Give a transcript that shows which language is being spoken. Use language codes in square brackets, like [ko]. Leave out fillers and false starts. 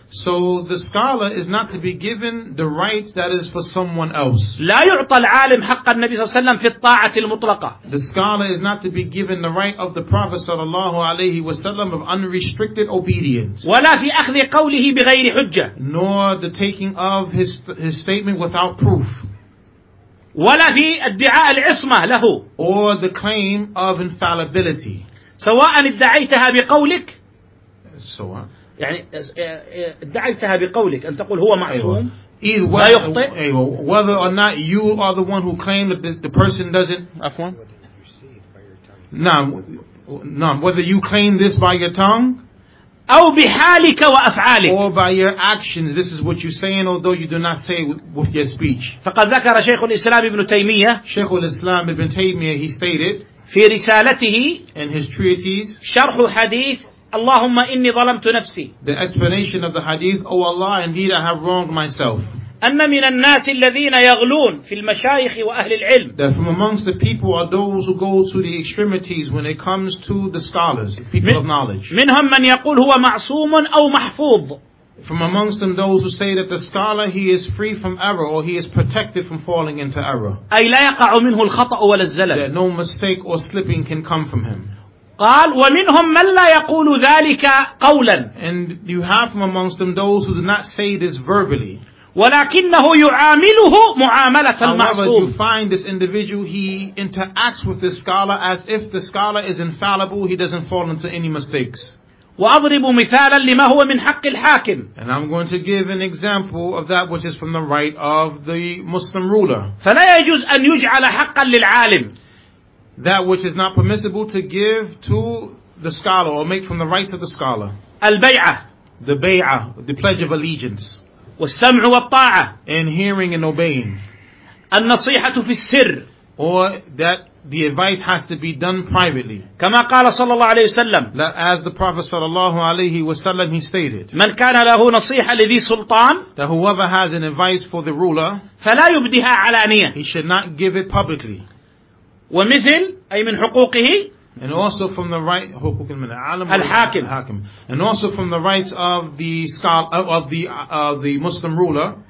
[en] So the scholar is not to be given the rights that is for someone else. [ar] لا يعطى العالم حق النبي صلى الله عليه وسلم في الطاعة المطلقة. [en] The scholar is not to be given the right of the Prophet [ar] صلى الله عليه وسلم [en] of unrestricted obedience. [ar] ولا في أخذ قوله بغير حجة. [en] Nor the taking of his statement without proof. [ar] ولا في ادعاء العصمة له. [en] Or the claim of infallibility. [ar] سواء ادعيتها بقولك. سواء. يعني ادعيتها بقولك أن تقول هو معصوم. [en] Either way, whether or not you are the one who claimed that the person doesn't. [ar] Afwan. نعم. [en] Whether you claim this by your tongue. [ar] أو بحالك وأفعالك. [en] Or by your actions, this is what you're saying, although you do not say it with your speech. [ar] فقد ذكر شيخ الإسلام ابن تيمية. [en] شيخ الإسلام ابن تيمية, he stated. [ar] في رسالته. [en] In his treatise. [ar] شرح الحديث. اللهم إني ظلمت نفسي. [en] The explanation of the hadith. Oh Allah, indeed I have wronged myself. [ar] أن من الناس الذين يغلون في المشايخ وأهل العلم. [en] That from amongst the people are those who go to the extremities when it comes to the scholars, people of knowledge. [ar] منهم من يقول هو معصوم أو محفوظ. [en] From amongst them those who say that the scholar he is free from error or he is protected from falling into error. [ar] أي لا يقع منه الخطأ ولا الزلل. [en] That no mistake or slipping can come from him. [ar] قال ومنهم من لا يقول ذلك قولا. [en] And you have from amongst them those who do not say this verbally. [ar] ولكنه يعامله معاملة المعصوم. [en] However, you find this individual, he interacts with the scholar as if the scholar is infallible. He doesn't fall into any mistakes. [ar] وأضرب مثالا لما هو من حق الحاكم. [en] And I'm going to give an example of that which is from the right of the Muslim ruler. [ar] فلا يجوز أن يجعل حقا للعالم. [en] That which is not permissible to give to the scholar or make from the rights of the scholar. [ar] البيعة. [en] The بيعة, the pledge of allegiance. [ar] والسمع والطاعة. [en] And hearing and obeying. [ar] النصيحة في السر. [en] Or that the advice has to be done privately. [ar] كما قال صلى الله عليه وسلم. [en] As the Prophet [ar] صلى الله عليه وسلم [en] he stated. [ar] من كان له نصيحة لذي سلطان. [en] That whoever has an advice for the ruler. [ar] فلا يبديها علانية. [en] He should not give it publicly. [ar] ومثل أي من حقوقه. [en] And also from the right [ar] حقوق من العالم. الحاكم. الحاكم. [en] And also from the rights of the scholar of the Muslim ruler.